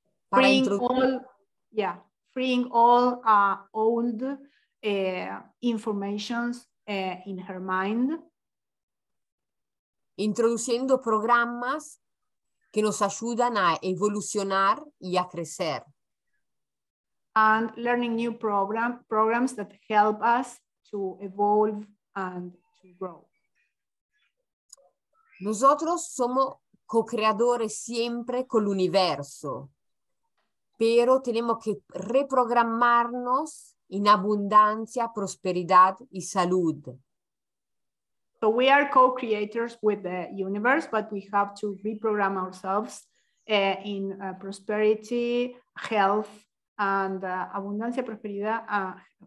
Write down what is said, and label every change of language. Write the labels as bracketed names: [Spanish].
[English] Freeing all old informations in her mind. [Spanish] Introduciendo programas que nos ayudan a evolucionar y a crecer. [English] And learning new programs that help us to evolve and to grow. [Spanish] Nosotros somos co-creadores siempre con el universo, pero tenemos que reprogramarnos en abundancia, prosperidad y salud. [English] So we are co-creators with the universe, but we have to reprogram ourselves in prosperity, health, and [Spanish] abundancia, prosperidad.